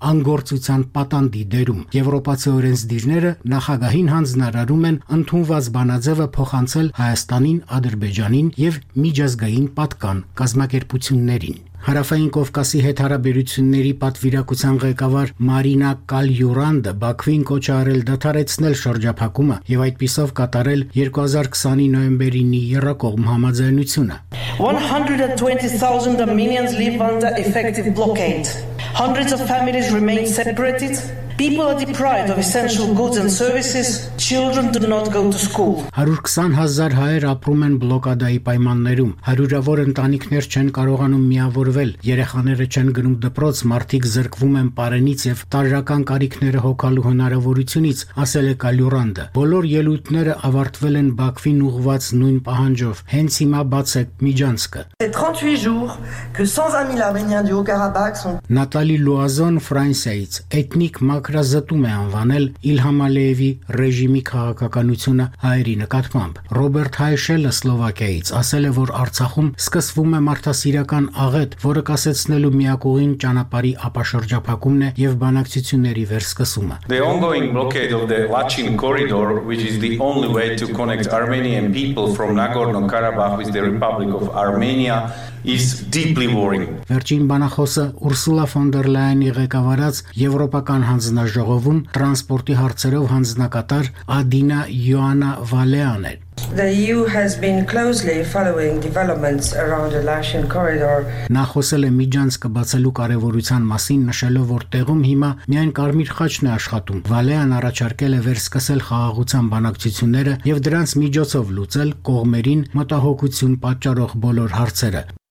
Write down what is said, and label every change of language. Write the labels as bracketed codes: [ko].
[hy] անգործության պատանդի դերում։ Եվրոպացի օրենսդիրները նախագահին հանձնարարում են ընդունված բանաձևը փոխանցել Հայաստանին, Ադրբեջանին և միջազգային պատկան կազմակերպություններին։ Հարավային Կովկասի հետ հարաբերությունների պատվիրակության ղեկավար Մարինա Կալյուրանդը Բաքվին կոչ արել դադարեցնել շրջափակումը եւ այդպիսով կատարել 2020-ի նոյեմբերին Եռակողմ համաձայնությունը. [en] 120,000 Armenians live under effective blockade. Hundreds of families remain separated. People are deprived of essential goods and services. Children do not go to school. [hy] 120,000 հայեր ապրում են բլոկադայի պայմաններում։ Հարյուրավոր ընտանիքներ չեն կարողանում միավորվել։ Երեխաները չեն գնում դպրոց, մարդիկ զրկվում են պարենից եւ տարրական կարիքները հոգալու հնարավորությունից, ասել է Կալյուրանդը։ Բոլոր ելույթները ավարտվել են Բաքվին ուղված նույն պահանջով. Հենց հիմա բաց է Միջանցկը. [fr] 38 jours que 120,000 Arméniens du Haut-Karabakh sont [hy] Natali Loison Franceits Ethnic Մակրազտում է անվանել Իլհամ Ալիևի ռեժիմի քաղաքականությունը հայերի նկատմամբ։ Ռոբերտ Հայշելը Սլովակիայից ասել է, որ Արցախում սկսվում է մարդասիրական աղետ, որը կասեցնելու միակ ուղին ճանապարհի ապաշրջափակումն է եւ բանակցությունների վերսկսումը։ [en] The ongoing blockade of the Lachin corridor, which is the only way to connect Armenian people from Nagorno-Karabakh with the Republic of Armenia, is deeply worrying. [hy] Վերջին բանախոսը Ուրսուլա ֆոն դեր Լայենի ղեկավարած Եվրոպական հանձնաժողովում տրանսպորտի հարցերով հանձնակատար Ադինա Յոանա Վալեան էր. [en] The EU has been closely following developments around the Lachin corridor. [hy] Նախոսել է Միջանցկը բացելու կարևորության մասին, նշելով, որ տեղում հիմա միայն կարմիր խաչն է աշխատում։ Վալեան առաջարկել է վերսկսել խաղաղության բանակցությունները եւ դրանց միջոցով լուծել կողմերին մտահոգություն պատճառող բոլոր հարցերը։